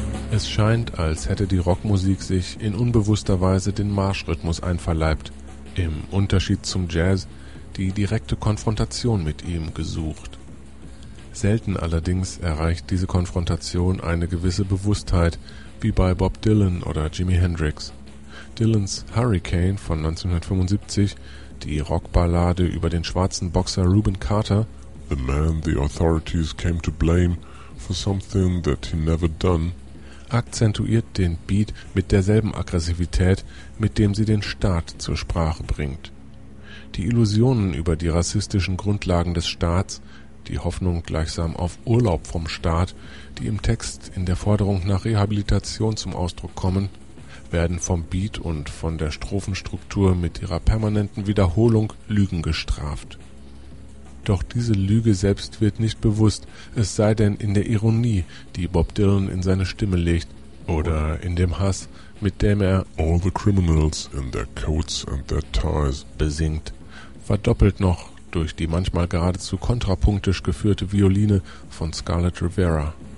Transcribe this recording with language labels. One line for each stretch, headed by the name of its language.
German: Es scheint, als hätte die Rockmusik sich in unbewusster Weise den Marschrhythmus einverleibt, im Unterschied zum Jazz die direkte Konfrontation mit ihm gesucht. Selten allerdings erreicht diese Konfrontation eine gewisse Bewusstheit, wie bei Bob Dylan oder Jimi Hendrix. Dylans Hurricane von 1975, die Rockballade über den schwarzen Boxer Reuben Carter,
English: The man the authorities came to blame for something that he never done,
German: akzentuiert den Beat mit derselben Aggressivität, mit dem sie den Staat zur Sprache bringt. Die Illusionen über die rassistischen Grundlagen des Staats, die Hoffnung gleichsam auf Urlaub vom Staat, die im Text in der Forderung nach Rehabilitation zum Ausdruck kommen, werden vom Beat und von der Strophenstruktur mit ihrer permanenten Wiederholung Lügen gestraft. Doch diese Lüge selbst wird nicht bewusst, es sei denn in der Ironie, die Bob Dylan in seine Stimme legt, oder in dem Hass, mit dem er
English: All the criminals in their coats and their ties
German: besingt, verdoppelt noch durch die manchmal geradezu kontrapunktisch geführte Violine von Scarlett Rivera.